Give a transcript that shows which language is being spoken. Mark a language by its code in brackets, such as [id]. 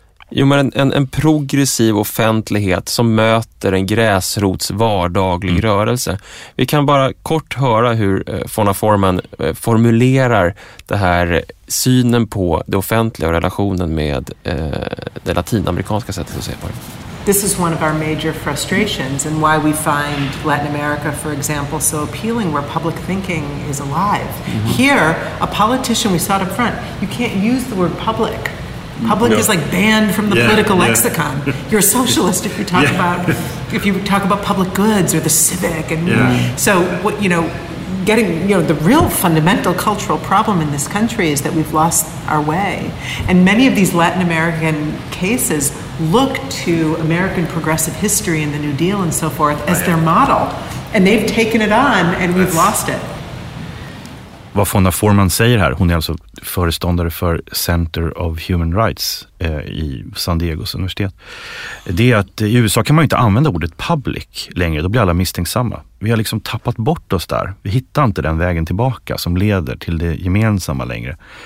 [sv] Jo, men en progressiv offentlighet som möter en gräsrots vardaglig rörelse. Vi kan bara kort höra hur Fonda Forman formulerar det här synen på det offentliga och relationen med det latinamerikanska sättet att se på det. [en] This is one of our major frustrations and why we find Latin America, for example, so appealing, where public thinking is alive. Mm-hmm. Here, a politician, we saw it up front, you can't use the word public. Public is like banned from the political lexicon. You're a socialist if you talk about public goods or the civic. And so, what, you know, getting, you know, the real fundamental cultural problem in this country is that we've lost our way. And many of these Latin American cases look to American progressive history and the New Deal and so forth as their model. And they've taken it on and we've lost it. [sv] Vad Fonda Forman säger här, hon är alltså föreståndare för Center of Human Rights i San Diegos universitet. Det är att i USA kan man ju inte använda ordet public längre, då blir alla misstänksamma. Vi har liksom tappat bort oss där, vi hittar inte den vägen tillbaka som leder till det gemensamma längre.